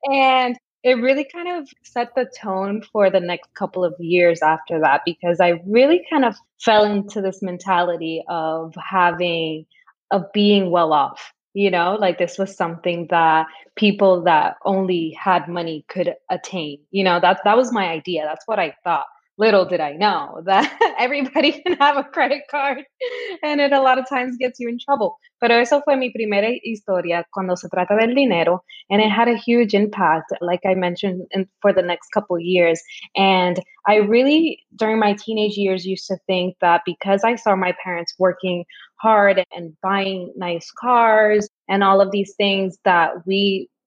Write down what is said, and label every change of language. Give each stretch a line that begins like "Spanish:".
English: And it really kind of set the tone for the next couple of years after that, because I really kind of fell into this mentality of being well off. You know, like this was something that people that only had money could attain. You know, that was my idea. That's what I thought. Little did I know that everybody can have a credit card and it a lot of times gets you in trouble.
Spanish: Pero eso fue mi primera historia cuando se trata del dinero.
English: And it had a huge impact, like I mentioned, for the next couple of years. And I really, during my teenage years, used to think that because I saw my parents working hard and buying nice cars and all of these things that we